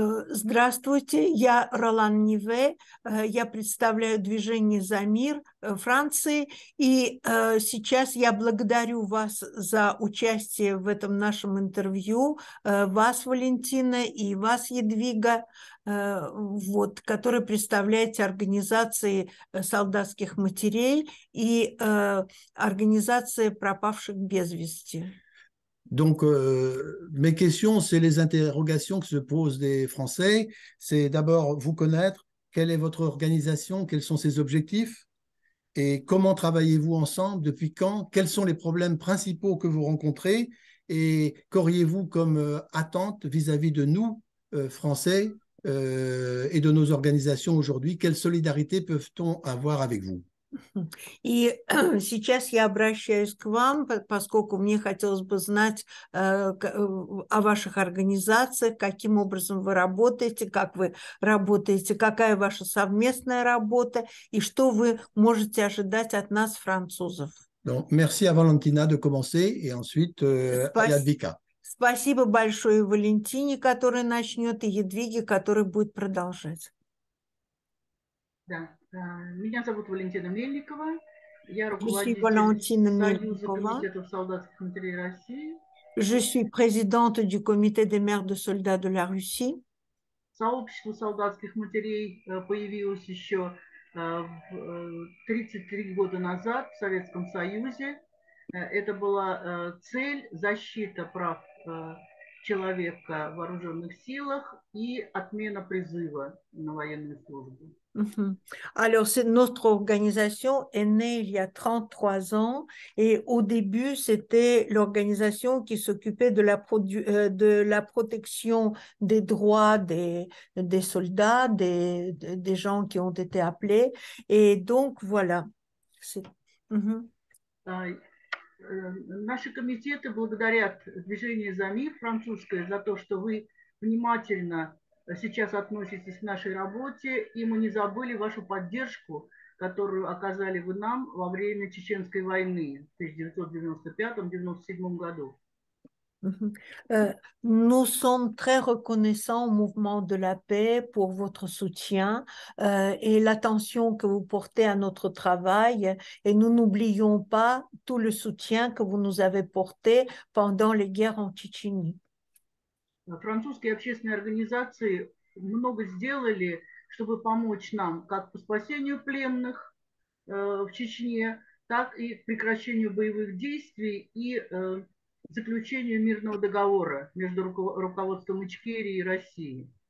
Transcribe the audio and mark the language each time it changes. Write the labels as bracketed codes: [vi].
[ru] Здравствуйте, я Ролан Ніве, я представляю движение «За мир» Франции, и сейчас я благодарю вас за участие в этом нашем интервью, вас, Валентина, и вас, Едвига, которые представляете организации солдатских матерей и организации пропавших без вести. [fr] Donc, mes questions, c'est les interrogations que se posent des Français. C'est d'abord vous connaître, quelle est votre organisation, quels sont ses objectifs et comment travaillez-vous ensemble, depuis quand, quels sont les problèmes principaux que vous rencontrez et qu'auriez-vous comme attente vis-à-vis de nous, Français, et de nos organisations aujourd'hui? Quelle solidarité peut-on avoir avec vous? [ru] И сейчас я обращаюсь к вам, поскольку мне хотелось бы знать о ваших организациях, каким образом вы работаете, как вы работаете, какая ваша совместная работа и что вы можете ожидать от нас, французов. [fr] Donc, merci à Valentina de commencer et ensuite à Yadvika. [ru] Спасибо большое Валентине, которая начнет, и Едвиге, которая будет продолжать. Да. Меня зовут Валентина Мельникова. Я руководитель Valentina Союза Мельникова. комитетов солдатских матерей России. [fr] Je suis présidente du comité des mères de soldats de la Russie. [ru] Сообщество солдатских матерей появилось еще 33 года назад в Советском Союзе. Это была цель защита прав человека в вооруженных силах и отмена призыва на военную службу. [fr] Alors, notre organisation est née il y a 33 ans et au début, c'était l'organisation qui s'occupait de la protection des droits des soldats, des gens qui ont été appelés. Et donc, voilà. [ru] Наши комитеты благодарят Движение «За мир» французское за то, что вы внимательно сейчас относитесь к нашей работе, и мы не забыли вашу поддержку, которую оказали вы нам во время Чеченской войны в 1995-97 году. [fr] Nous sommes très reconnaissants au mouvement de la paix pour votre soutien et l'attention que vous portez à notre travail. Et nous n'oublions pas tout le soutien que vous nous avez porté pendant les guerres en Tchétchénie. [ru] Французские общественные организации много сделали, чтобы помочь нам как по спасению пленных в Чечне, так и прекращению боевых действий и заключению мирного договора между руководством Ичкерии и Россией.